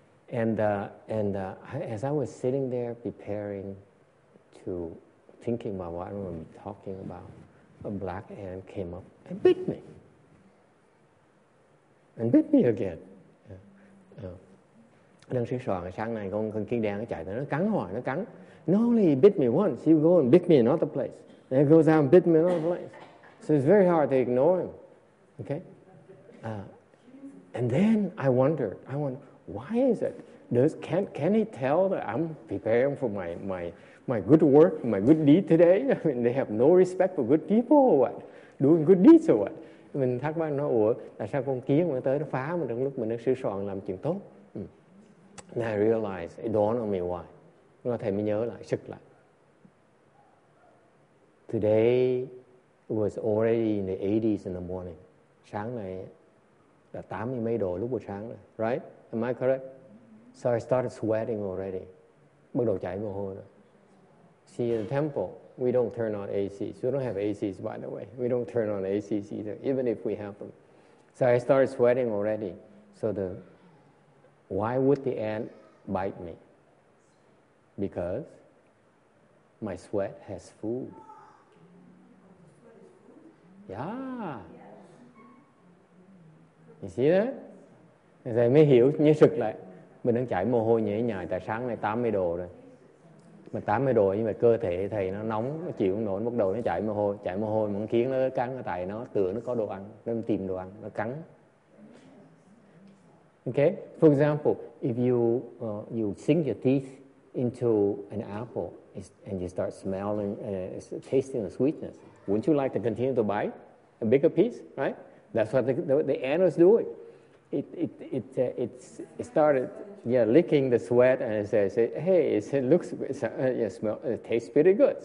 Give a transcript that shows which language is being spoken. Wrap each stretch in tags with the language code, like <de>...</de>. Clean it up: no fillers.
<en>As I was sitting there preparing to thinking about what I'm going to be talking about, a black ant came up and bit me. And bit me again.</en> <vi>Đang sửa soạn sáng nay con kiến đen nó chạy tới nó cắn.</vi> <en>Not only he bit me once, he'll go and bit me another place. Then he goes out and bit me another place. So it's very hard to ignore him. Okay? And then I wonder, why is it? Can he tell that I'm preparing for my good work, my good deed today? I mean, they have no respect for good people or what? Doing good deeds or what?</en> <vi>Mình thắc mắc nó, ủa, tại sao con kiến nó tới nó phá mình trong lúc mình đang sửa soạn làm chuyện tốt?</vi> <en>And I realized, it dawned on me why.</en> <vi>Nó thầy mới nhớ lại, sực lại.</vi> <en>Today was already in the 80s in the morning.</en> <vi>Sáng này là 80 mấy độ lúc buổi sáng rồi.</vi> <en>Right? Am I correct? So I started sweating already.</en> <vi>Bắt đầu chảy mồ hôi rồi.</vi> <en>See, in the temple, we don't turn on ACs. We don't have ACs, by the way. We don't turn on ACs either, even if we have them. So I started sweating already. So why would the ant bite me? Because my sweat has food. Yeah. You see that?</en> <vi>Thầy mới hiểu như sực lại. Mình đang chảy mồ hôi nhễ nhại tại sáng nay 80 độ rồi. Mà 80 độ nhưng mà cơ thể thầy nó nóng, nó chịu không nổi, nó bắt đầu nó chảy mồ hôi, muốn kiến nó cắn, nó tại nó tưởng nó có đồ ăn, nó tìm đồ ăn, nó cắn.</vi> <en>Okay? For example, if you sink your teeth into an apple and you start smelling, tasting the sweetness, wouldn't you like to continue to bite a bigger piece, right? That's what the ant was doing. It started, yeah, licking the sweat and said, hey, it tastes pretty good.</en>